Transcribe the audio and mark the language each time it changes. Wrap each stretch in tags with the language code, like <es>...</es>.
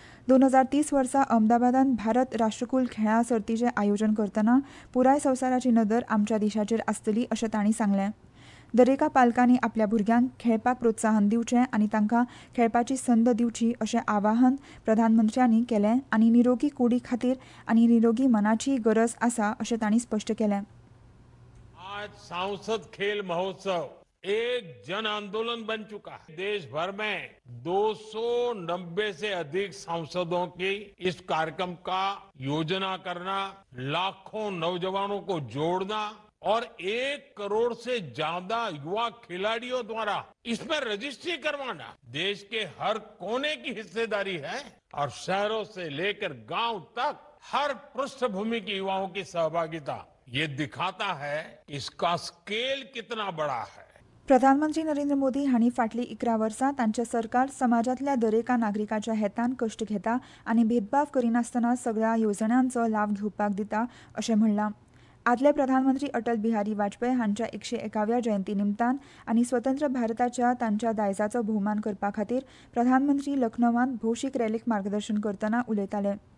<kok>2030 वर्सा अहमदाबादांत भारत राष्ट्रकूल खेळा सर्तीचें आयोजन करतना पुराय संवसाराची नदर आमच्या देशाचेर आसतली अशें तांणी सांगलें. दरेका पालकांनी आपल्या भुरग्यांक खेळपाक प्रोत्साहन दिवचें आनी तांकां खेळपाची संद दिवची अशें आवाहन प्रधानमंत्र्यांनी केलें आनी निरोगी कुडी खातीर आनी निरोगी मनाची गरज आसा अशें तांणी स्पश्ट केलें.</kok> <hi>आज सांसद खेल महोत्सव एक जन आंदोलन बन चुका है. देश भर में 290 से अधिक सांसदों की इस कार्यक्रम का योजना करना, लाखों नौजवानों को जोड़ना और 1 करोड़ से ज्यादा युवा खिलाड़ियों द्वारा इसमें रजिस्ट्री करवाना देश के हर कोने की हिस्सेदारी है और शहरों से लेकर गांव तक हर पृष्ठभूमि के युवाओं की सहभागिता ये दिखाता है इसका स्केल कितना बड़ा है.</hi> <kok>प्रधानमंत्री नरेंद्र मोदी हांणी फाटली 11 वर्सां तांचे सरकार समाजांतल्या दरेका नागरिकाच्या हेतान कश्ट घेता आनी भेदभाव करिनासतना सगळ्या येवजण्यांचो लाव घेवपाक दिता अशें म्हणलां. आदले प्रधानमंत्री अटल बिहारी वाजपेयी हांच्या 101व्या जयंती निमतान आनी स्वतंत्र भारताच्या तांच्या दायजाचो भोवमान करपा खातीर प्रधानमंत्री लखनौत भौशीक रॅलीक मार्गदर्शन करतना उलयताले.</kok>